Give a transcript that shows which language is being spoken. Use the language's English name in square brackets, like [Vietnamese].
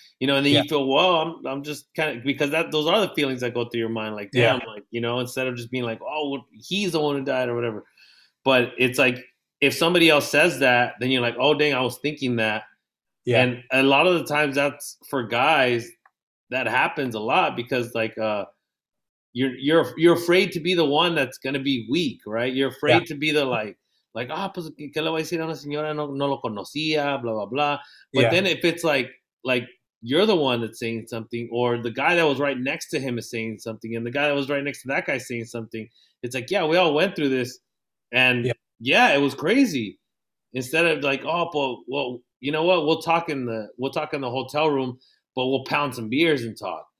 [English] You know, and then you feel, well, I'm just kind of, because those are the feelings that go through your mind, like, damn, like, you know, instead of just being like, oh, well, he's the one who died or whatever. But it's like, if somebody else says that, then you're like, oh, dang, I was thinking that. Yeah. And a lot of the times that's for guys, that happens a lot, because like, you're afraid to be the one that's going to be weak, right? You're afraid to be the like, [Spanish] ah, pues, ¿qué le voy a decir a una señora? No lo conocía, blah, blah, blah. [English] But then if it's like you're the one that's saying something, or the guy that was right next to him is saying something, and the guy that was right next to that guy is saying something, it's like, yeah, we all went through this, and it was crazy. Instead of like, oh, well, you know what? We'll talk in the hotel room, but we'll pound some beers and talk.